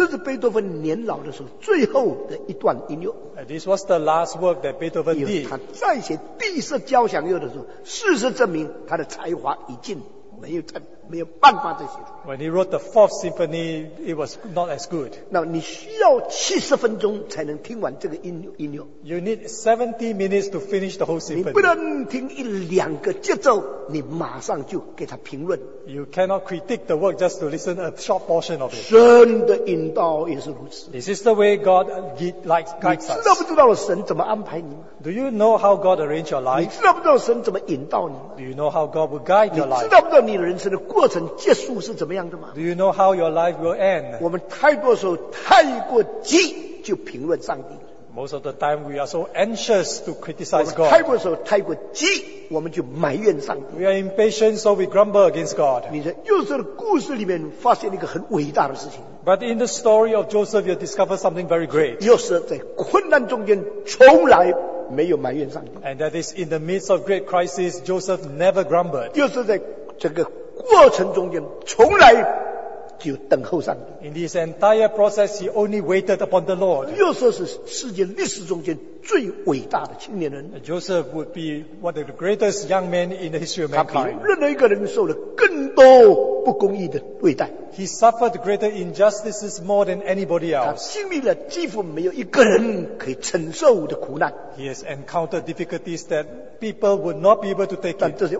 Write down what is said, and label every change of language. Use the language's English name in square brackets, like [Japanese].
[Chinese] 这是贝多芬年老的时候最后的一段音乐。 [English] And this was the last work that Beethoven did. [Chinese] 他在写第四交响乐的时候，事实证明他的才华已尽，没有办法再写出来。 [English] When he wrote the fourth symphony, it was not as good. [Chinese] 那你需要70分钟才能听完这个音乐。 [English] You need 70 minutes to finish the whole symphony. [Chinese] 你不能听一两个节奏，你马上就给他评论。 [English] You cannot critique the work just to listen a short portion of it. [Chinese] 神的引导也是如此。 [English] This is the way God likes us. [Chinese] 你知道不知道神怎么安排你吗？ [English] Do you know how God arranged your life? [Chinese] 你知道不知道神怎么引导你吗？ [English] Do you know how God will guide your life? [Chinese] 你知道不知道你的人生的过程结束是怎么样的吗？ [English] Do you know how your life will end? [Chinese] 我们太多时候太过急就评论上帝。 [English] Most of the time we are so anxious to criticize God. [Chinese] 我们太过急, 我们就埋怨上帝。 [English] We are impatient, so we grumble against God. [Chinese] 你在约瑟的故事里面发现一个很伟大的事情。 [English] But in the story of Joseph, you discover something very great. [Chinese] 约瑟在困难中间从来没有埋怨上帝。 [English] And that is, in the midst of great crisis, Joseph never grumbled. [Chinese] 约瑟在这个过程中间从来 就等候上帝。 [English] In this entire process, he only waited upon the Lord. [Chinese] 约瑟是世界历史中间最伟大的青年人。 [English] Joseph would be one of the greatest young men in the history of mankind. [Chinese] 他比任何一个人受了更多不公义的对待。 [English] He suffered greater injustices more than anybody else. [Chinese] 他经历了几乎没有一个人可以承受的苦难。 [English] He has encountered difficulties that people would not be able to take it.